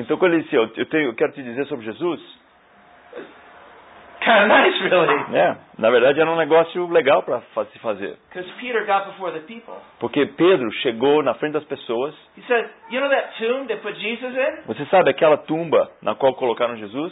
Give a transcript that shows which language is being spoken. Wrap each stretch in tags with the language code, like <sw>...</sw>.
<pt>Então quando ele disse, eu quero te dizer sobre Jesus.</pt> <en>Kind of nice, really.</en> <pt>É, na verdade era um negócio legal para se fazer.</pt> <en>Because Peter got before the people.</en> <pt>Porque Pedro chegou na frente das pessoas.</pt> <en>He said, you know that tomb they put Jesus in?</en> <pt>Você sabe aquela tumba na qual colocaram Jesus?</pt>